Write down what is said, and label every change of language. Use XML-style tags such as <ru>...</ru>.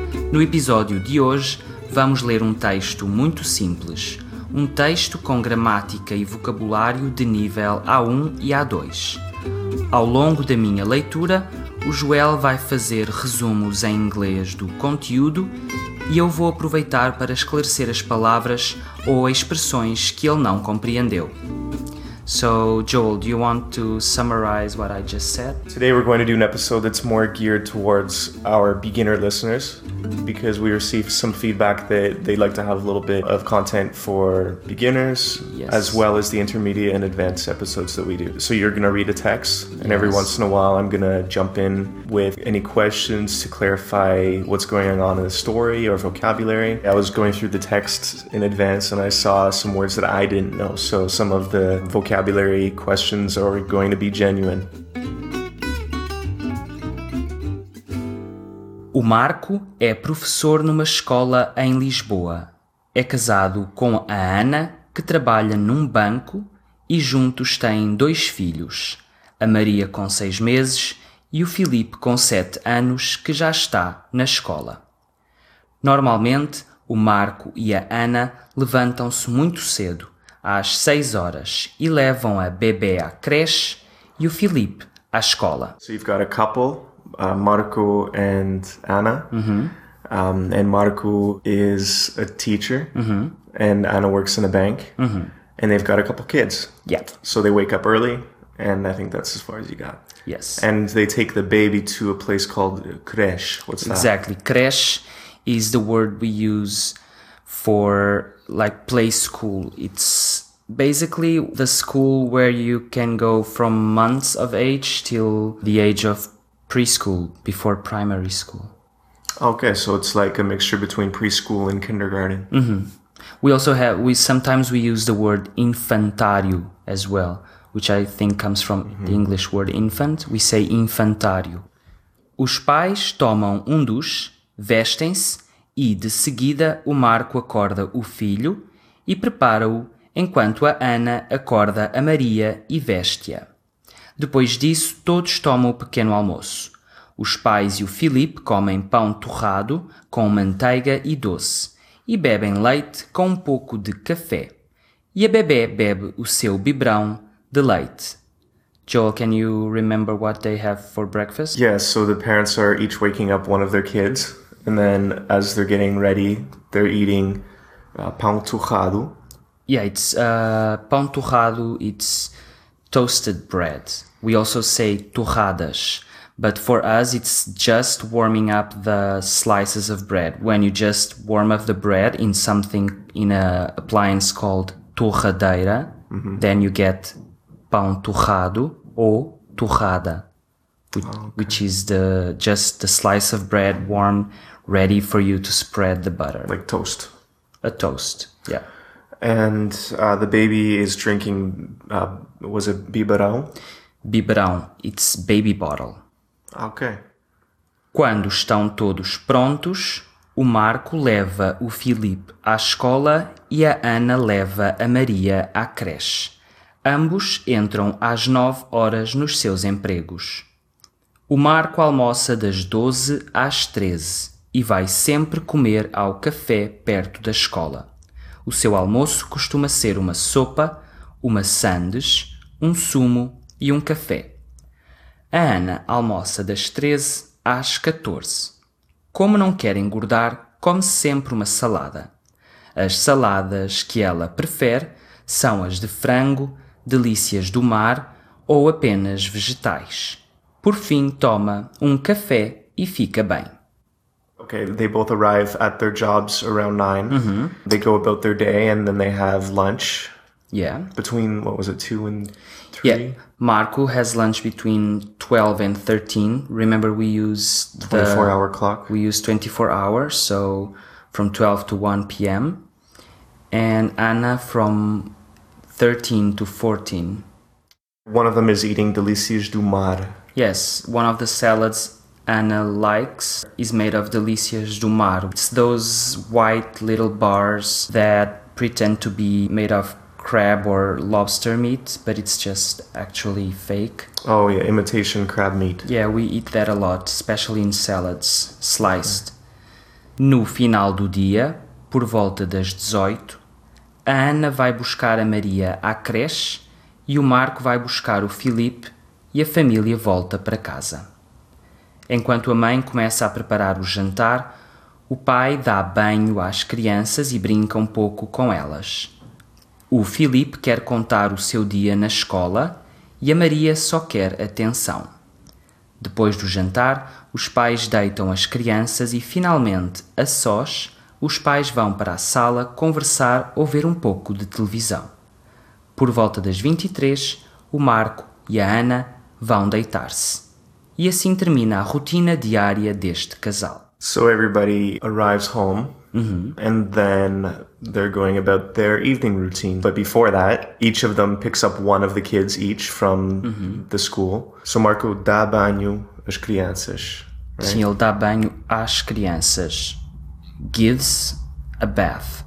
<pt>No episódio de hoje, vamos ler um texto muito simples, um texto com gramática e vocabulário de nível A1 e A2. Ao longo da minha leitura, o Joel vai fazer resumos em inglês do conteúdo e eu vou aproveitar para esclarecer as palavras ou expressões que ele não compreendeu.</pt> <en>So, Joel, do you want to summarize what I just said? Today we're going to do an episode that's more geared towards our beginner listeners because we received some feedback that they'd like to have a little bit of content for beginners yes. as well as the intermediate and advanced episodes that we do. So you're going to read a text and yes. every once in a while I'm going to jump in with any questions to clarify what's going on in the story or vocabulary. I was going through the text in advance and I saw some words that I didn't know, so some of the vocabulary questions are going to be genuine.</en> <pt>O Marco é professor numa escola em Lisboa. É casado com a Ana, que trabalha num banco, e juntos têm dois filhos, a Maria com 6 meses e o Filipe com 7 anos, que já está na escola. Normalmente, o Marco e a Ana levantam-se muito cedo, às 6 horas, e levam a bebê à creche e o Filipe à escola.</pt> <en>So you've got a couple, Marco and Ana. Mm-hmm. And Marco is a teacher. Mm-hmm. And Ana works in a bank. Mm-hmm. And they've got a couple kids. Yeah. So they wake up early, and I think that's as far as you got. Yes. And they take the baby to a place called creche. What's that? Exactly. Creche is the word we use for like play school. It's basically the school where you can go from months of age till the age of preschool, before primary school. Okay, so it's like a mixture between preschool and kindergarten. Mm-hmm. We sometimes use the word infantário as well, which I think comes from mm-hmm. the English word infant. We say infantário.</en> <pt>Os pais tomam um duche, vestem-se e, de seguida, o Marco acorda o filho e prepara-o, enquanto a Ana acorda a Maria e veste-a. Depois disso, todos tomam o pequeno almoço. Os pais e o Filipe comem pão torrado com manteiga e doce e bebem leite com um pouco de café. E a bebê bebe o seu biberão de leite.</pt> <en>Joel, can you remember what they have for breakfast? Yes, so the parents are each waking up one of their kids. And then as they're getting ready, they're eating pão torrado. Yeah, it's pão torrado, it's toasted bread. We also say torradas, but for us, it's just warming up the slices of bread. When you just warm up the bread in something, in an appliance called torradeira, mm-hmm. then you get pão torrado or torrada, oh, okay. which is the just the slice of bread warm, ready for you to spread the butter. Like toast. A toast, yeah. And the baby is drinking, was it biberão? Biberão, it's baby bottle. Okay.</en> <pt>Quando estão todos prontos, o Marco leva o Filipe à escola e a Ana leva a Maria à creche. Ambos entram às 9 horas nos seus empregos. O Marco almoça das 12 às 13 e vai sempre comer ao café perto da escola. O seu almoço costuma ser uma sopa, uma sandes, um sumo e um café. A Ana almoça das 13 às 14. Como não quer engordar, come sempre uma salada. As saladas que ela prefere são as de frango, delícias do mar ou apenas vegetais. Por fim, toma um café e fica bem.</pt> <en>Okay, they both arrive at their jobs around 9. Mm-hmm. They go about their day and then they have lunch. Yeah. Between, what was it, 2 and 3? Yeah, Marco has lunch between 12 and 13. Remember we use the 24-hour clock. We use 24 hours, so from 12 to 1 p.m. And Ana from 13 to 14. One of them is eating delícias do mar. Yes, one of the salads Anna likes is made of delícias do mar. It's those white little bars that pretend to be made of crab or lobster meat, but it's just actually fake. Oh yeah, imitation crab meat. Yeah, we eat that a lot, especially in salads, sliced. Okay.</en> <pt>No final do dia, por volta das 18, a Ana vai buscar a Maria à creche e o Marco vai buscar o Filipe e a família volta para casa. Enquanto a mãe começa a preparar o jantar, o pai dá banho às crianças e brinca um pouco com elas. O Filipe quer contar o seu dia na escola e a Maria só quer atenção. Depois do jantar, os pais deitam as crianças e, finalmente, a sós, os pais vão para a sala conversar ou ver um pouco de televisão. Por volta das 23, o Marco e a Ana vão deitar-se. E assim termina a rotina diária deste casal.</pt> <en>So everybody arrives home. And then they're going about their evening routine. But before that, each of them picks up one of the kids each from the school.</en> <pt>So Marco dá banho às crianças. Right? Sim, ele dá banho às crianças.</pt> <en>Gives a bath.</en>